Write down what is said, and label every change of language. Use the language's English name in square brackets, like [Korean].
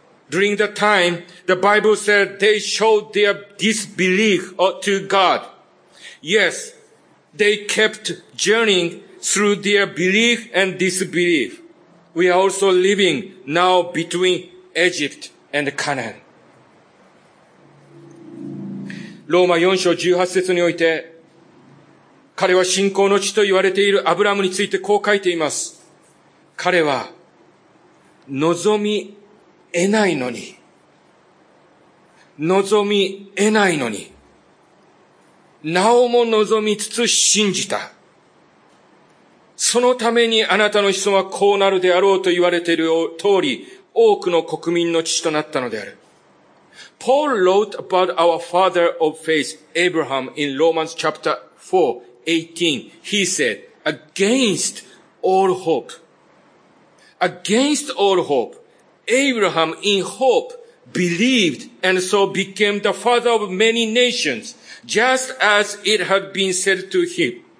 [English] During the time, the Bible said they showed their disbelief to God. Yes, they kept journeying through their belief and disbelief. We are also living now between Egypt and Canaan. [Japanese] ローマ4章18節において、彼は信仰の地と言われているアブラムについてこう書いています。彼は望み得ないのに、望み得ないのに、なおも望みつつ信じた。そのためにあなたの子孫はこうなるであろうと言われている通り、多くの国民の地となったのである。 [English] Paul wrote about our father of faith, Abraham, in Romans chapter 4, 18. He said, against all hope, against all hope, Abraham in hope believed and so became the father of many nations, just as it had been said to him.